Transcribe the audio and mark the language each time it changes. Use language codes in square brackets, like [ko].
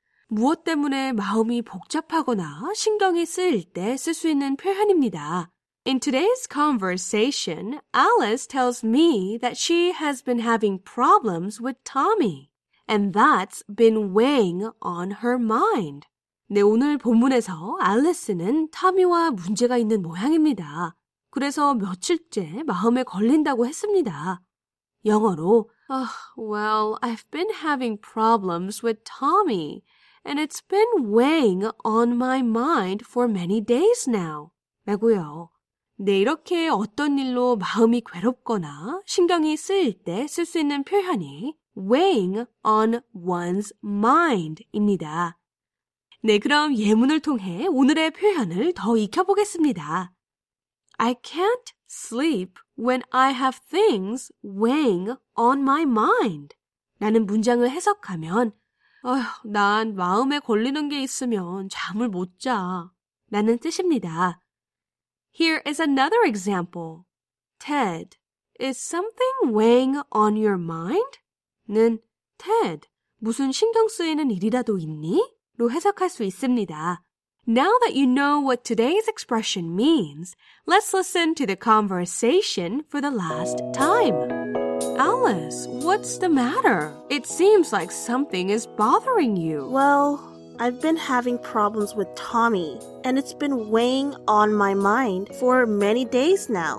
[ko] 무엇 때문에 마음이 복잡하거나 신경이 쓰일 때 쓸 수 있는 표현입니다. [en] In today's conversation, Alice tells me that she has been having problems with Tommy, and that's been weighing on her mind. [ko] 네, 오늘 본문에서 알리스는 타미와 문제가 있는 모양입니다. 그래서 며칠째 마음에 걸린다고 했습니다. 영어로 [en] Oh, well, I've been having problems with Tommy, and it's been weighing on my mind for many days now. [ko] 라고요. 네, 이렇게 어떤 일로 마음이 괴롭거나 신경이 쓰일 때 쓸 수 있는 표현이 [en] weighing on one's mind [ko] 입니다. 네, 그럼 예문을 통해 오늘의 표현을 더 익혀보겠습니다. [en] I can't sleep when I have things weighing on my mind. [ko] 라는 문장을 해석하면 난 마음에 걸리는 게 있으면 잠을 못 자 라는 뜻입니다. [en] Here is another example. Ted, is something weighing on your mind? [ko] 는 Ted, 무슨 신경 쓰이는 일이라도 있니? 로 해석할 수 있습니다. [en] Now that you know what today's expression means, let's listen to the conversation for the last time. Alice, what's the matter? It seems like something is bothering you. Well, I've been having problems with Tommy, and it's been weighing on my mind for many days now.